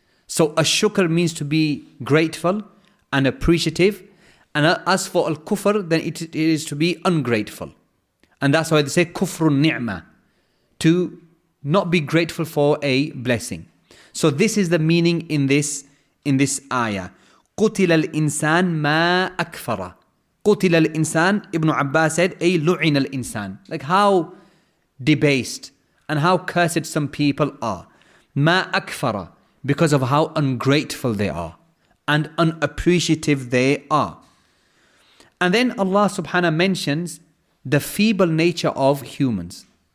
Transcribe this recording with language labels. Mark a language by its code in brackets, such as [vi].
[en] So a shukr means to be grateful and appreciative. And as for al-kufr, then it is to be ungrateful. And that's why they say kufrun ni'mah, to not be grateful for a blessing. So this is the meaning in this ayah. [ar] قُتِلَ الْإِنسَانِ مَا أَكْفَرَ. قُتِلَ الْإِنسَانِ, [en] Ibn Abbas said, [ar] أي لُعِنَ الْإِنسَانِ. [en] Like how debased and how cursed some people are. [ar] مَا أَكْفَرَ, [en] because of how ungrateful they are and unappreciative they are. And then Allah subhanahu mentions the feeble nature of humans.